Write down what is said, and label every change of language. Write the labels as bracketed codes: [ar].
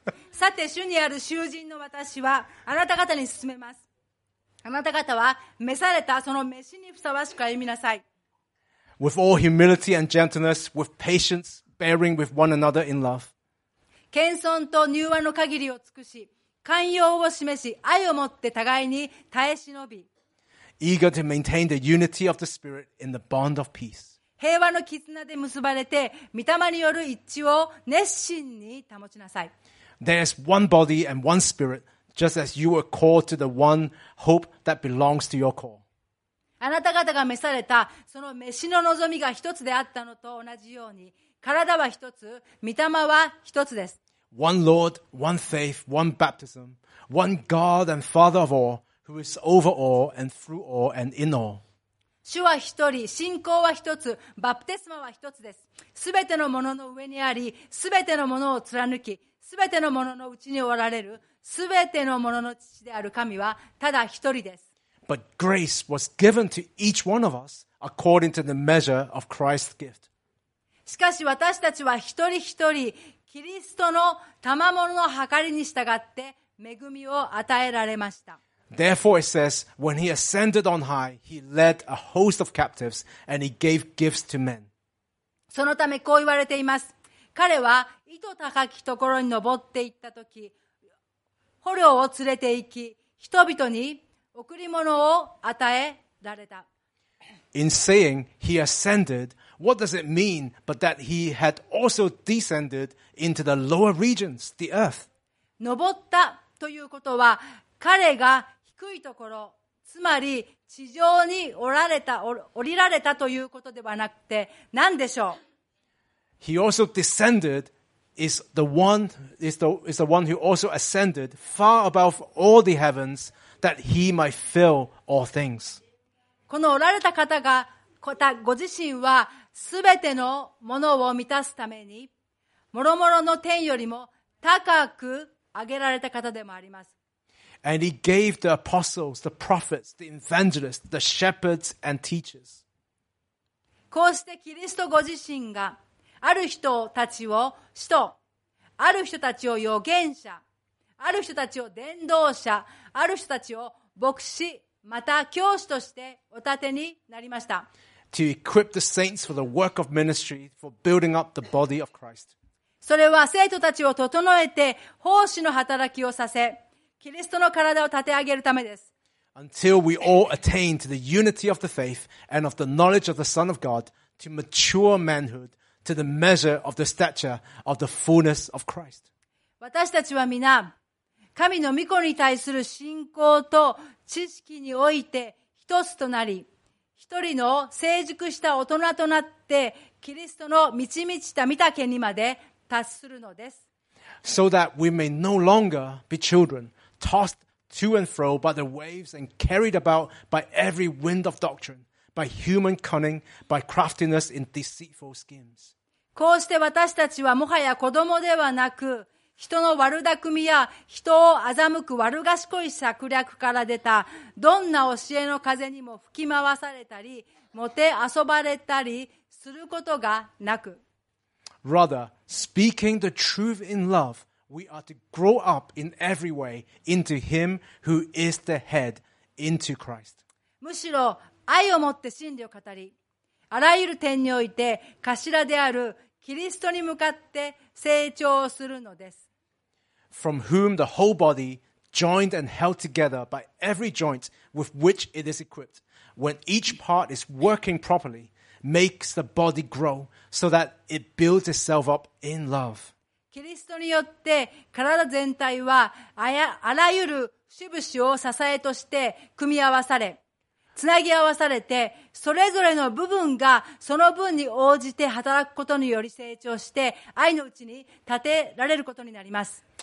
[ja] さて、主にある囚人の私は、あなた方に勧めます。あなた方は、召されたその召しにふさわしく歩みなさい。 [en] With all humility and gentleness, with patience, bearing with one another in love. [ja] 謙遜と柔和の限りを尽くし、寛容を示し、愛を持って互いに耐え忍び。 [en] Eager to maintain the unity of the Spirit in the bond of peace. [ja] 平和の絆で結ばれて、御霊による一致を熱心に保ちなさい。 [en] There is one body and one spirit, just as you were called to the one hope that belongs to your call. [ja] あなた方が召された、その召しの望みが一つであったのと同じように、体は一つ、御霊は一つです。 [en] One Lord, one faith, one baptism, one God and Father of all, who is over all and through all and in all. [ja] 主は一人、信仰は一つ、バプテスマは一つです。すべてのものの上にあり、すべてのものを貫き、すべてのもののうちにおられる、すべてのものの父である神はただ一人です。 [en] But grace was given to each one of us according to the measure of Christ's gift. [ja] しかし私たちは一人一人、キリストの賜物の計りに従って恵みを与えられました。 [en] Therefore it says, when he ascended on high, he led a host of captives and he gave gifts to men. [ja] そのためこう言われています。彼は糸高きところに登っていったとき、捕虜を連れて行き、人々に贈り物を与えられた。 [en] In saying he ascended, what does it mean but that he had also descended into the lower regions, the earth? [ja] 登ったということは、彼が低いところ、つまり地上に降りられたということではなくて、何でしょう？ [en] He also descended is the one who also ascended far above all the heavens that he might fill all things. [ja] この降られた方が、ご自身はすべてのものを満たすために、もろもろの天よりも高く上げられた方でもあります。 [en] And he gave the apostles, the prophets, the evangelists, the shepherds and teachers. [ja] こうしてキリストご自身がある人たちを使徒、ある人たちを預言者、ある人たちを伝道者、ある人たちを牧師、また教師としてお立てになりました。 [en] To equip the saints for the work of ministry, for building up the body of Christ. [ja] それは聖徒たちを整えて奉仕の働きをさせ、キリストの体を立て上げるためです。 [en] Until we all attain to the unity of the faith and of the knowledge of the Son of God, to mature manhood, to the measure of the stature of the fullness of Christ. [ja] 私たちは皆、神の御子に対する信仰と知識において一つとなり、一人の成熟した大人となって、キリストの満ち満ちた御丈にまで達するのです。 [en] So that we may no longer be children. Tossed to and fro by the waves and carried about by every wind of doctrine, by human cunning, by craftiness in deceitful schemes. [ja] こうして私たちはもはや子供ではなく、人の悪巧みや人を欺く悪賢い策略から出たどんな教えの風にも吹き回されたり、もて遊ばれたりすることがなく。 [en] Rather, speaking the truth in love. We are to grow up in every way into Him who is the head, into Christ. [ja] むしろ愛をもって真理を語り、あらゆる点において頭であるキリストに向かって成長するのです。 [en] From whom the whole body, joined and held together by every joint with which it is equipped, when each part is working properly, makes the body grow so that it builds itself up in love. [ja] キリストによって体全体は あらゆる節々を支えとして組み合わされ、つなぎ合わされて、それぞれの部分がその分に応じて働くことにより成長して、愛のうちに立てられることになります。